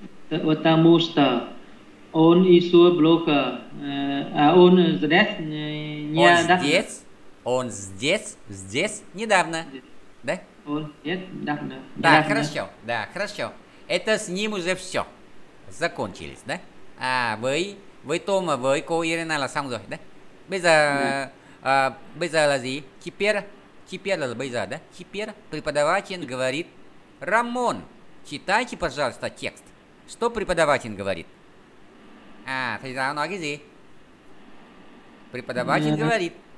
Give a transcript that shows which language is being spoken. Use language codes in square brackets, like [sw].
[ru] Потому что. Он еще плохо. Он здесь недавно. Он здесь. Здесь недавно. Да? Он здесь недавно. Да, хорошо. Да, хорошо. Это с ним уже все. Закончились, да? [vi] А với tôi mà với cô Irina là xong rồi đấy. Bây giờ bây giờ là gì? [ru] Теперь [vi] là bây giờ đấy. [ru] Теперь преподаватель говорит: Рамон, читайте, пожалуйста, текст. Что преподаватель говорит? [vi] А, thầy giáo nói cái gì? [ru] Преподаватель говорит.